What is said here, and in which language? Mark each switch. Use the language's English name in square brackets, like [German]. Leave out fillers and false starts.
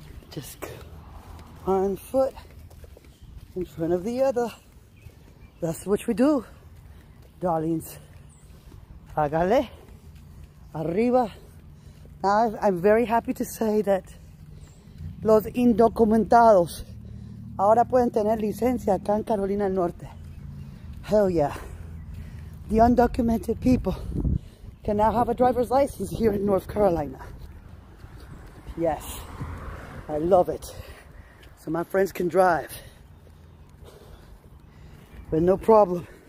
[English] Just one foot in front of the other. That's what we do, darlings. [Spanish] Agale, arriba. [English] Now I'm very happy to say that [Spanish] los indocumentados ahora pueden tener licencia acá en Carolina del Norte. [English] Hell yeah. The undocumented people can now have a driver's license here in North Carolina. Yes. I love it. So my friends can drive. With no problem.